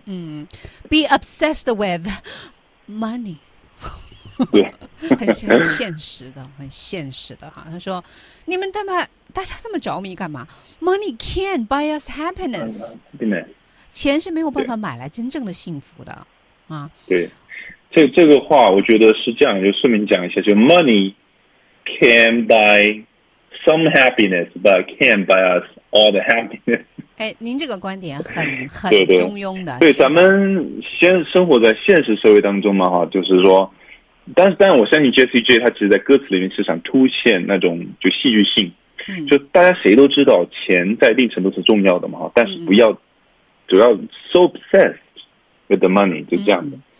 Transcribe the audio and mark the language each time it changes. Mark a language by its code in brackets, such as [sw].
[en] 嗯 ，be obsessed with money。 [zh] 对，很现实的，很现实的哈。他说：“你们他妈大家这么着迷干嘛 ？ [en] Money can't buy us happiness。 [zh] 钱是没有办法买来真正的幸福的啊。” 对，这个话我觉得是这样，就顺便讲一下，就 [en] Money can buy some happiness, but can't buy us all the happiness。 [zh] 哎，您这个观点很中庸的。对，咱们先生活在现实社会当中嘛，哈，就是说。但我相信 JCJ 他其实在歌词里面是想凸显那种就戏剧性，就大家谁都知道钱在一定程度是重要的嘛，但是不要主要 [en] so obsessed with the money， [zh] 就这样的。